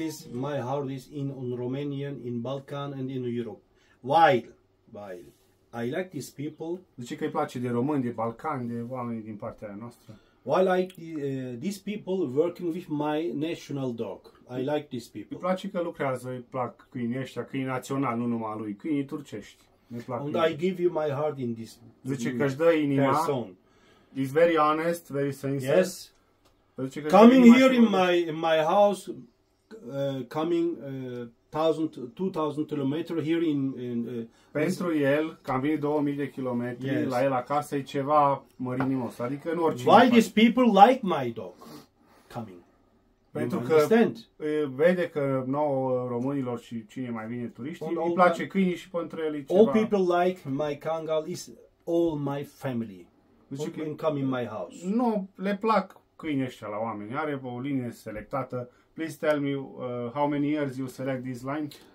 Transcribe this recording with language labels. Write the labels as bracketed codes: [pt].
[en] My heart is in Romanian, in Balkan and in Europe. While I like these people. [ro] Zice că îi place de români, de Balcani, de oameni din partea noastră. [en] While I like these people working with my national dog. I like these people. [ro] Îi place că lucrează, îi plac câinii ăștia, câinii naționali, nu numai lui, câinii turcești. [en] And I give you my heart in this. [ro] Zice că își dă inima. [en] He's very honest, very sincere. Yes. Coming here in my house, coming 2000 kilometers here in [ro] pentru el, cam vine 2000 de kilometri, yes, la el acasă e ceva mărinimos. Adică în orice. [en] Why these people like my dog? Coming. [ro] Pentru că vede că nouă românilor și cine mai vine turiștii, îi place câinii și pentru el e ceva. [en] All people like my Kangal is all my family. Deci can come in my house. [ro] Nu, le plac câinii ăștia la oameni. Are o linie selectată. [en] Please tell me how many years you select this line?